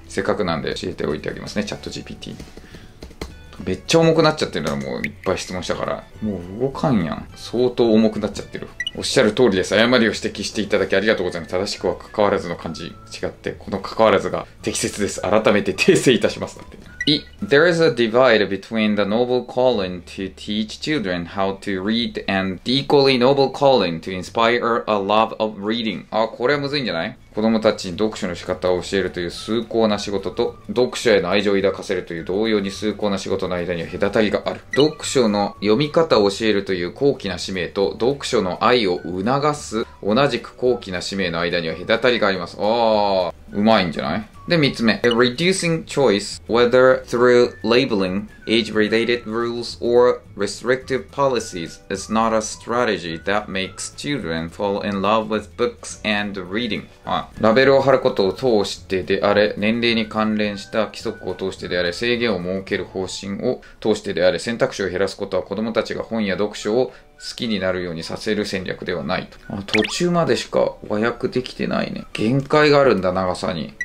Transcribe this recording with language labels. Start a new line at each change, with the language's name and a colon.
Japanese: せっかくなんで教えておいてあげますね、チャット GPT。めっちゃ重くなっちゃってるのもういっぱい質問したから。もう動かんやん。相当重くなっちゃってる。おっしゃる通りです。誤りを指摘していただきありがとうございます。正しくは関わらずの漢字違って、この関わらずが適切です。改めて訂正いたします。だって。E.
English: There is a divide between the noble calling to teach children how to read and the equally noble calling to inspire a love of reading.
Japanese: あ、これはむずいんじゃない？子供たちに読書の仕方を教えるという崇高な仕事と、読書への愛情を抱かせるという同様に崇高な仕事の間には隔たりがある。読書の読み方を教えるという高貴な使命と、読書の愛を促す同じく高貴な使命の間には隔たりがあります。あー、うまいんじゃない？で、三つ目。
English: Reducing choice, whether through labeling, age-related rules, or restrictive policies, is not a strategy that makes children fall in love with books and reading.
Japanese: あ、ラベルを貼ることを通してであれ、年齢に関連した規則を通してであれ、制限を設ける方針を通してであれ、選択肢を減らすことは子供たちが本や読書を好きになるようにさせる戦略ではないと。あ、途中までしか和訳できてないね。限界があるんだ、長さに。